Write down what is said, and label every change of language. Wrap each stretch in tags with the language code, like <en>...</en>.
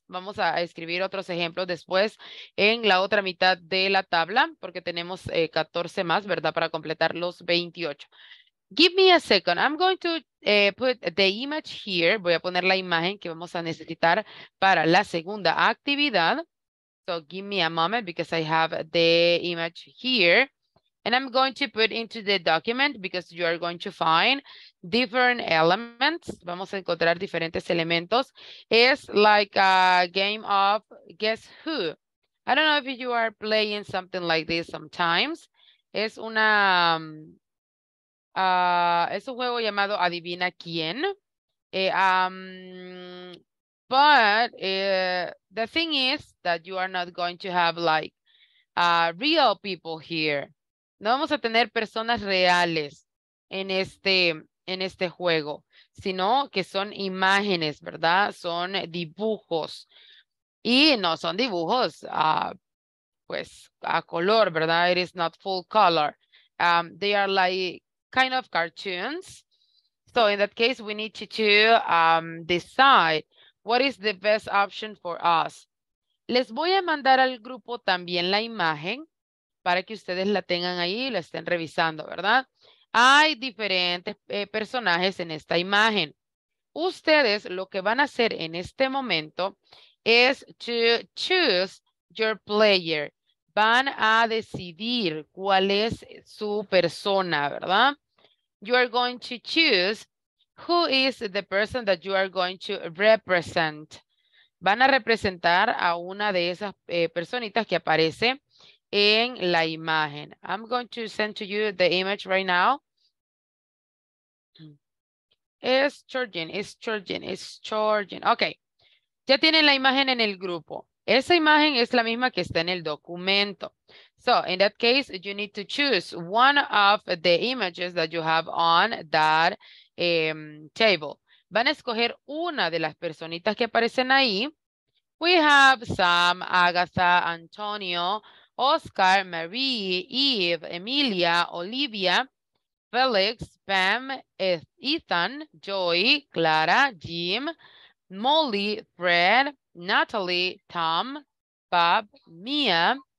<es>Vamos a escribir otros ejemplos después en la otra mitad de la tabla, porque tenemos 14 más, ¿verdad? Para completar los 28.</es> <en>Give me a second. I'm going to put the image here.</en> <es>Voy a poner la imagen que vamos a necesitar para la segunda actividad.</es> <en>So give me a moment because I have the image here. And I'm going to put into the document because you are going to find different elements.</en> <es>Vamos a encontrar diferentes elementos.</es> <en>It's like a game of guess who. I don't know if you are playing something like this sometimes.</en> <es>Es una es un juego llamado Adivina Quién.</es> <en>But the thing is that you are not going to have like real people here.</en> <es>No vamos a tener personas reales en este juego, sino que son imágenes, ¿verdad? Son dibujos. Y no son dibujos pues a color, ¿verdad?</es> <en>It is not full color. They are like kind of cartoons. So in that case, we need to decide what is the best option for us.</en> <es>Les voy a mandar al grupo también la imagen para que ustedes la tengan ahí y la estén revisando, ¿verdad? Hay diferentes personajes en esta imagen. Ustedes lo que van a hacer en este momento es</es> <en>to choose your player.</en> <es>Van a decidir cuál es su persona, ¿verdad?</es> <en>You are going to choose who is the person that you are going to represent.</en> <es>Van a representar a una de esas personitas que aparece en la imagen.</es> <en>I'm going to send to you the image right now. It's charging. Okay.</en> <es>Ya tienen la imagen en el grupo. Esa imagen es la misma que está en el documento.</es> <en>So, in that case, you need to choose one of the images that you have on that table.</en> <es>Van a escoger una de las personitas que aparecen ahí.</es> <en>We have Sam, Agatha, Antonio, Oscar, Marie, Eve, Emilia, Olivia, Felix, Pam, Ethan, Joy, Clara, Jim, Molly, Fred, Natalie, Tom, Bob, Mia,</en>